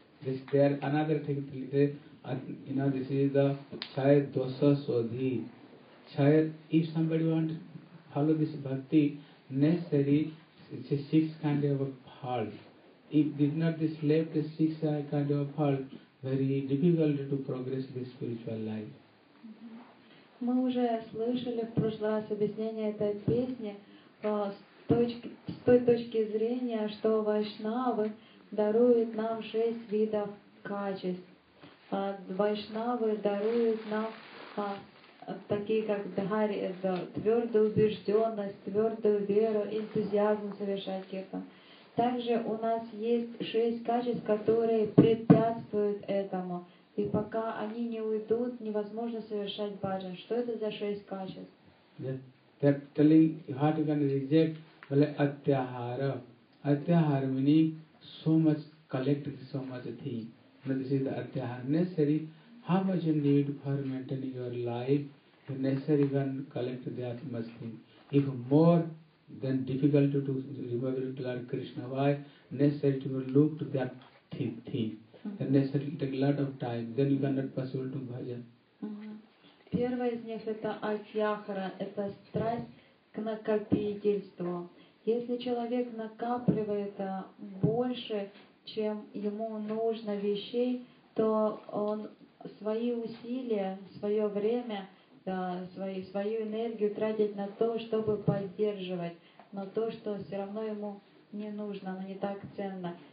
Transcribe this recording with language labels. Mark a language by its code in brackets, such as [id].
[en] This there another thing to say, you know, this is the Chayat Dosa Sodhi. Chayat, if somebody wants to follow this bhakti, necessary, it's a six kind of a fault. If did not this left the six kind of a fault, very difficult to progress this spiritual life. [ru] Мы уже слышали в прошлый раз объяснение этой песни с той точки зрения, что вайшнавы даруют нам шесть видов качеств. Вайшнавы даруют нам такие как дхари, твердую убежденность, твердую веру, энтузиазм совершать кирпан. Также у нас есть шесть качеств, которые препятствуют этому. И пока они не уйдут, невозможно совершать баджан. Что это за шесть качеств? [en] They're telling what you can reject, like atyahara. Atyahara meaning so much collected, so much thing. But this is the atyahara. Necessary, how much you need for maintaining your life, you necessary can collect that much thing. If more, then difficult to remove it to Lord Krishna. Why? Necessary to look to that thing. Then necessary to take a lot of time. Then you cannot pursue to bhajan. [ru] Первая из них — это атьяхара, это страсть к накопительству. Если человек накапливает больше, чем ему нужно вещей, то он свои усилия, свое время, свою энергию тратит на то, чтобы поддерживать, но то, что все равно ему не нужно, оно не так ценно.